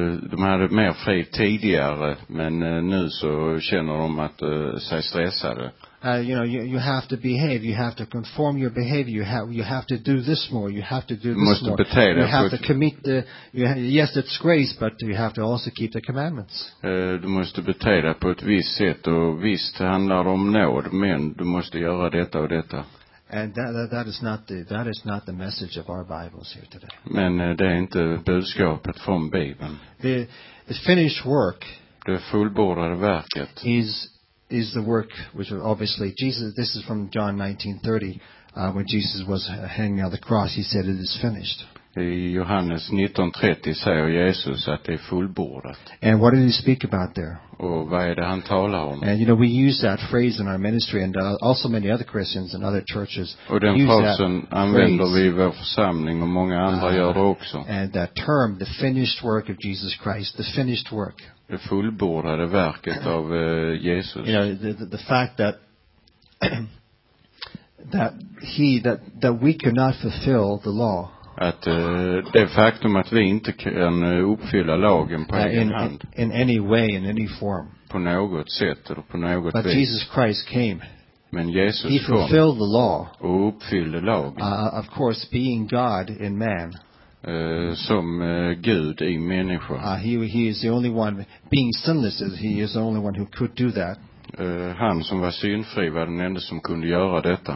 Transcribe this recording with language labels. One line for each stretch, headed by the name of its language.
Swedish: De hade mer fri tidigare, men nu så känner de att sig stressade.
English: You know, you have to behave. You have to conform your behavior. You have to do this more. You have to do this
Swedish: måste
English: more.
Swedish: Bete
English: you have to commit the. Yes, it's grace, but you have to also keep the commandments.
Swedish: Du måste bete dig på ett visst sätt och visst handlar om nåd, men du måste göra detta och detta.
English: And that is not the message of our Bibles here today.
Swedish: Men det är inte budskapet från Bibeln.
English: The finished work.
Swedish: Det fullbordade verket.
English: Is the work which obviously Jesus. This is from John 19:30, when Jesus was hanging on the cross. He said, "It is finished."
Swedish: I Johannes 19:30 säger Jesus att det är fullbordat.
English: And what did he speak about there?
Swedish: Och vad är det han talar om?
English: And you know, we use that phrase in our ministry, and also many other Christians and other churches.
Swedish: Och den frasen använder vi i vår församling, och många andra gör det också.
English: And that term, the finished work of Jesus Christ, the finished work.
Swedish: Det fullbordade verket av Jesus.
English: You know, the fact that that we cannot fulfill the law.
Swedish: Att det faktum att vi inte kan uppfylla lagen på egen hand.
English: In any way, in any form.
Swedish: På något sätt eller på något vis.
English: But Jesus Christ came.
Swedish: Men Jesus kom.
English: He fulfilled the law.
Swedish: Och uppfyllde lagen.
English: Of course, being God in man.
Swedish: Som Gud i människa.
English: He is the only one, being sinless, he is the only one who could do that.
Swedish: Han som var synfri var den enda som kunde göra detta.